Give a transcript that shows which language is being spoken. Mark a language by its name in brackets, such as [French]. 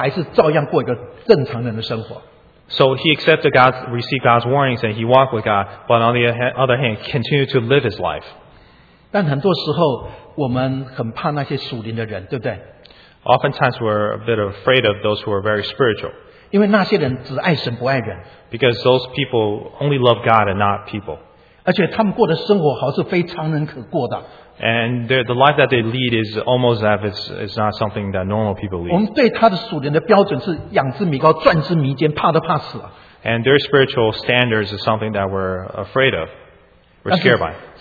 [Chinese] 也就是说，他一边接受上帝警告，可是人的生活，他还是照样过一个正常人的生活。 [English] So he accepted God, received God's warnings, and he walked with God, but on the other hand, continued to live his life. [Chinese] 但很多时候，我们很怕那些属灵的人，对不对？ [English] Oftentimes we're a bit afraid of those who are very spiritual. [Chinese] 因为那些人只爱神不爱人。 [English] Because those people only love God and not people. And the life that they lead is almost as if it's not something that normal people lead. And their spiritual standards is something that we're afraid of, we're scared by.